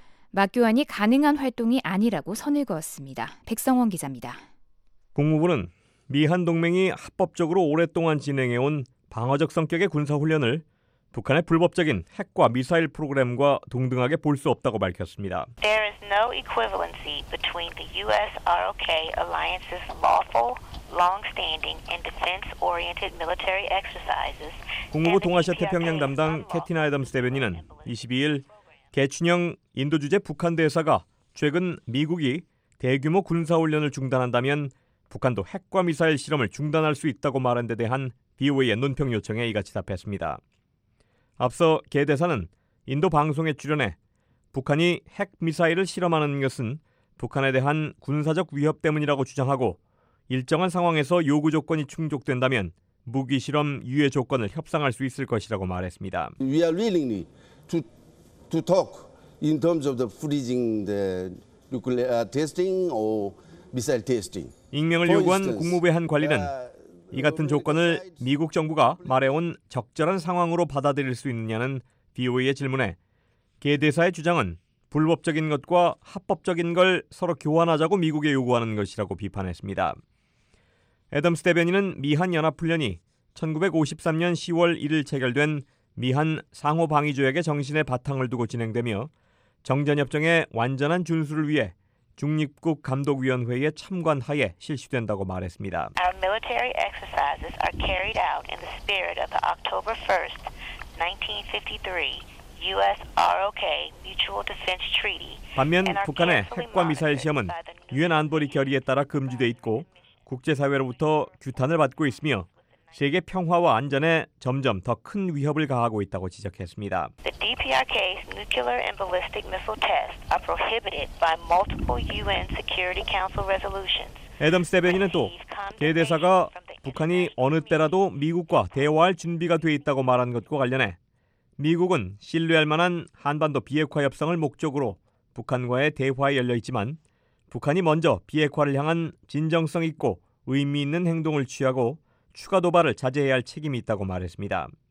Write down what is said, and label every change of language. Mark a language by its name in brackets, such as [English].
[Korean] 맞교환이 가능한 활동이 아니라고 선을 그었습니다. 백성원 기자입니다. 국무부는 미한 동맹이 합법적으로 오랫동안 진행해온 방어적 성격의 군사훈련을 북한의 불법적인 핵과 미사일 프로그램과 동등하게 볼 수 없다고 밝혔습니다. [English] There is no equivalency between the US ROK alliance's lawful, long-standing and defense-oriented military exercises. [Korean] 국무부 동아시아 태평양 담당 캐티 아담스 대변인은 22일 개춘영 인도 주재 북한 대사가 최근 미국이 대규모 군사 훈련을 중단한다면 북한도 핵과 미사일 실험을 중단할 수 있다고 말한 데 대한 BOA의 논평 요청에 이같이 답했습니다. 앞서 개 대사는 인도 방송에 출연해 북한이 핵미사일을 실험하는 것은 북한에 대한 군사적 위협 때문이라고 주장하고 일정한 상황에서 요구 조건이 충족된다면 무기 실험 유예 조건을 협상할 수 있을 것이라고 말했습니다. [English] We are willingly to talk in terms of the freezing the nuclear testing or missile testing. [Korean] 익명을 요구한 국무부의 한 관리는 이 같은 조건을 미국 정부가 말해온 적절한 상황으로 받아들일 수 있느냐는 BOA의 질문에 개 대사의 주장은 불법적인 것과 합법적인 걸 서로 교환하자고 미국에 요구하는 것이라고 비판했습니다. 애덤스 대변인은 미한 연합훈련이 1953년 10월 1일 체결된 미한 상호방위조약의 정신에 바탕을 두고 진행되며 정전협정의 완전한 준수를 위해 중립국 감독위원회의 참관 하에 실시된다고 말했습니다. [English] Our military exercises are carried out in the spirit of the October 1, 1953 US-ROK Mutual Defense Treaty. [Korean] 반면 북한의 핵과 미사일 시험은 유엔 안보리 결의에 따라 금지돼 있고 국제사회로부터 규탄을 받고 있으며 세계 평화와 안전에 점점 더 큰 위협을 가하고 있다고 지적했습니다. [English] The DPRK's nuclear and ballistic missile tests are prohibited by multiple UN Security Council resolutions. [Korean] 애덤스 대변인은 또 개 대사가 북한이 어느 때라도 미국과 대화할 준비가 돼 있다고 말한 것과 관련해 미국은 신뢰할 만한 한반도 비핵화 협상을 목적으로 북한과의 대화에 열려 있지만 북한이 먼저 비핵화를 향한 진정성 있고 의미 있는 행동을 취하고 추가 도발을 자제해야 할 책임이 있다고 말했습니다.